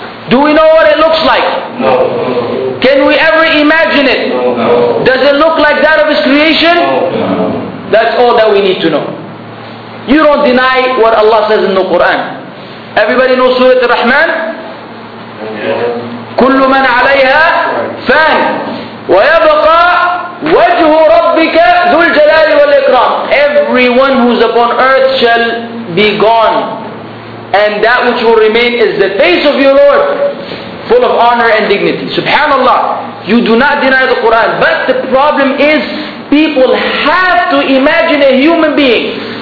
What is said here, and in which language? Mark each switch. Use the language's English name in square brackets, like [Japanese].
[English] Do we know what it looks like? No. Can we ever imagine it? No. Does it look like that of His creation? No. That's all that we need to know. You don't deny what Allah says in the Quran. Everybody knows Surah Ar-Rahman? [Arabic] كل من عليها فان، ويبقى وجه ربك ذو الجلال والإكرام. [English] Everyone who's upon earth shall be gone, and that which will remain is the face of your Lord, full of honor and dignity. Subhanallah. You do not deny the Quran, but the problem is people have to imagine a human being.